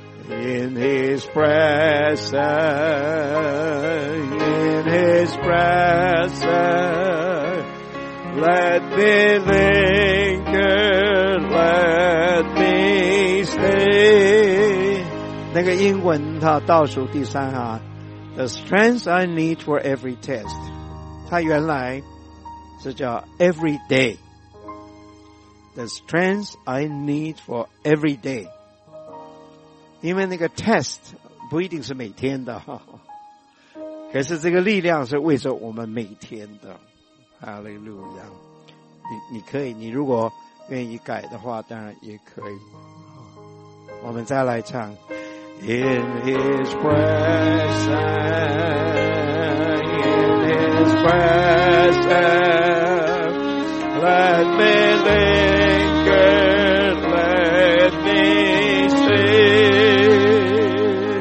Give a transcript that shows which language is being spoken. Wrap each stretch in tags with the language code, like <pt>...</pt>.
<en>In his presence, in his presence. Let me linger, let me stay.</en> <zh>那个英文它倒数第三啊，</zh> <en>The strength I need for every test.</en> <zh>它原来是叫</zh> <en>every day. The strength I need for every day.</en> <zh>因为那个 test 不一定是每天的哈。可是这个力量是为着我们每天的。哈利路亚。你可以，你如果愿意改的话当然也可以。我们再来唱。</zh> <en>In His presence, in His presence, let me linger, let me see.</en>